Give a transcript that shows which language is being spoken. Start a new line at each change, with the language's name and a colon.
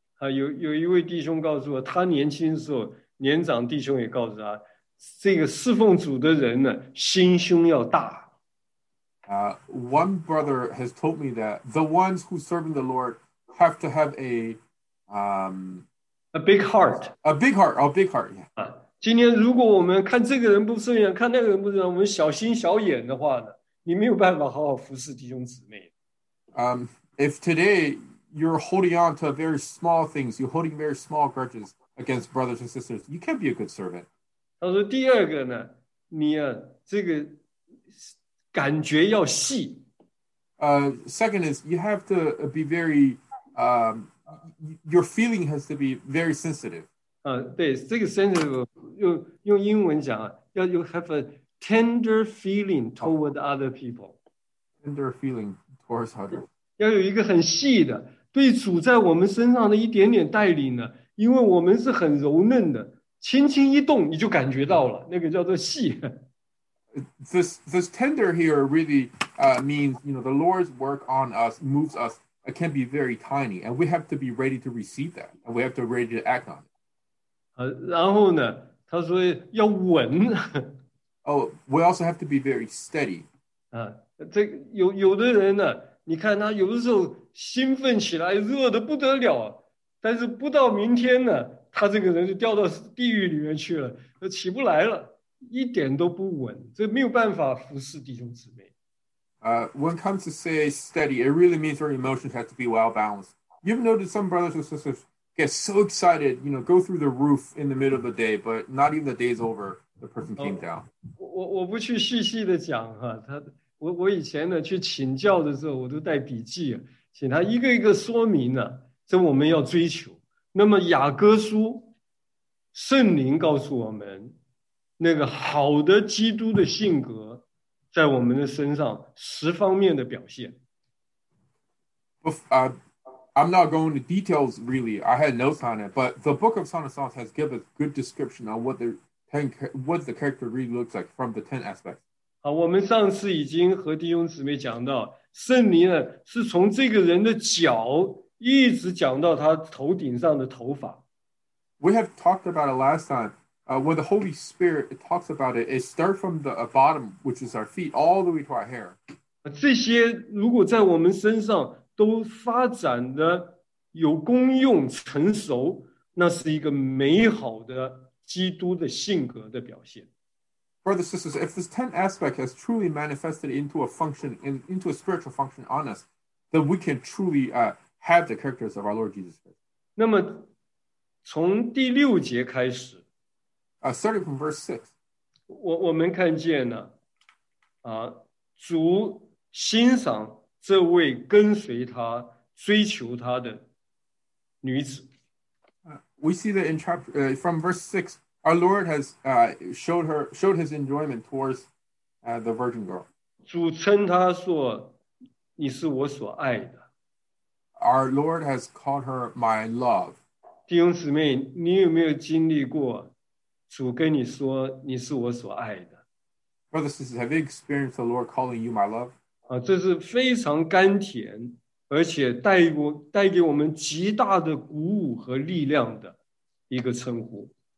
Chinese: 有一位弟兄告诉我，他年轻的时候，年长弟兄也告诉他，这个侍奉主的人呢，心胸要大。
English: One brother has told me that the ones who serve the Lord have to have a big heart. A big heart, a big heart, yeah.
Chinese: 今天如果我们看这个人不顺眼，看那个人不顺眼，我们小心小眼的话呢，你没有办法好好服侍弟兄姊妹。
English: If today you're holding on to very small things, you're holding very small grudges against brothers and sisters, you can't be a good servant.
Chinese: 他说第二个呢，你啊，这个感觉要细。
English: Second is you have to be very, your feeling has to be very sensitive.
Chinese: 对，这个 sensitive 用英文讲啊，要
English: you have a tender feeling toward other people. Tender feeling towards others.
Chinese: 要有一个很细的对主在我们身上的一点点带领呢，因为我们是很柔嫩的，轻轻一动你就感觉到了，那个叫做细。
English: This tender here really means, you know, the Lord's work on us moves us, it can be very tiny, and we have to be ready to receive that, and we have to be ready to act on it.
Chinese: 然后呢，他说要稳。
English: Oh, we also have to be very steady.
Chinese: 这有的人呢，你看他有的时候兴奋起来，热得不得了，但是不到明天呢，他这个人就掉到地狱里面去了，起不来了。一点都不稳，这没有办法服侍弟兄姊妹。
English: When it comes to say steady, it really means your emotions have to be well balanced. You've noticed some brothers and sisters get so excited, you know, go through the roof in the middle of the day, but not even the day's over, the person came down.
Chinese: 我不去细细的讲哈，我以前呢去请教的时候，我都带笔记，请他一个一个说明呢，这我们要追求。那么雅各书，圣灵告诉我们。那个好的基督的性格在我们的身上十方面的表现。
English: I'm not going into details really. I had notes on it, but the book of Song of Songs has given a good description on what the character really looks like from the 10 aspects.
Chinese: 我们上次已经和弟兄姊妹讲到圣灵是从这个人的脚一直讲到他头顶上的头发。
English: We have talked about it last time. When the Holy Spirit talks about it, it starts from the bottom, which is our feet, all the way to our hair.
Chinese: 这些如果在我们身上都发展的有功用、成熟，那是一个美好的基督的性格的表现。
English: Brothers and sisters, if this 10 aspect has truly manifested into a function, into a spiritual function on us, then we can truly have the characters of our Lord Jesus Christ.
Chinese: 那么从第六节开始
English: starting from verse 6.
Chinese: 我们看见呢主欣赏这位跟随他追求他的女子。
English: We see that in chapter, from verse 6, our Lord has showed his enjoyment towards the virgin girl.
Chinese: 主称他说你是我所爱的。
English: Our Lord has called her my love.
Chinese: 弟兄姊妹，你有没有经历过主跟你说你是我所爱的。
English: Brothers and sisters, have you experienced the Lord calling you my love?
Chinese: 这是非常甘甜而且带给我们极大的鼓舞和力量的一个称呼。